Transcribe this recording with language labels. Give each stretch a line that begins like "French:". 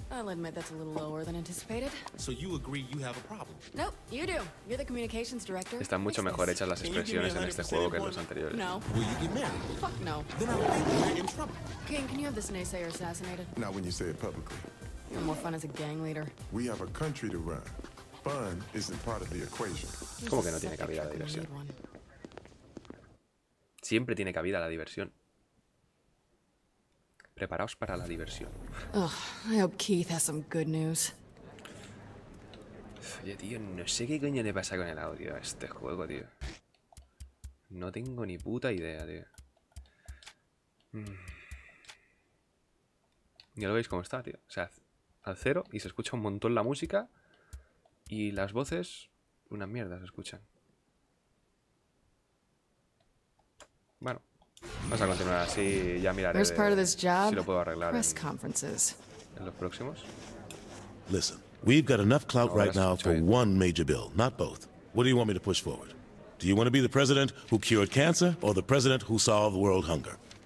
English: I'll admit that's a little lower than anticipated. So you agree you have a problem? Nope, you do. You're the communications director.
Spanish: Están mucho mejor hechas las expresiones en este juego que en los anteriores.
English: No. Will you get married? Fuck no. Then I'll think you're in trouble. King, can you have this naysayer assassinated? Not when you say it publicly. You're more fun as a gang leader. We have a country to run. Fun isn't part of the equation.
Spanish: ¿Cómo que no tiene cabida la diversión? Siempre tiene cabida la diversión. Preparaos para la diversión.
English: Oh, I hope Keith has some good news.
Spanish: Oye, tío, no sé qué coño le pasa con el audio a este juego, tío. No tengo ni puta idea, tío. Ya lo veis cómo está, tío. O sea, al cero y se escucha un montón la música. Y las voces, una mierda se escuchan. Bueno. Vamos a continuar así, ya miraré de, si lo puedo arreglar en los próximos.
English: Listen, we've got enough clout right now for one major bill, not both. What do you want me to push forward? Do you want to be the president who cured cancer or the president who solved world hunger?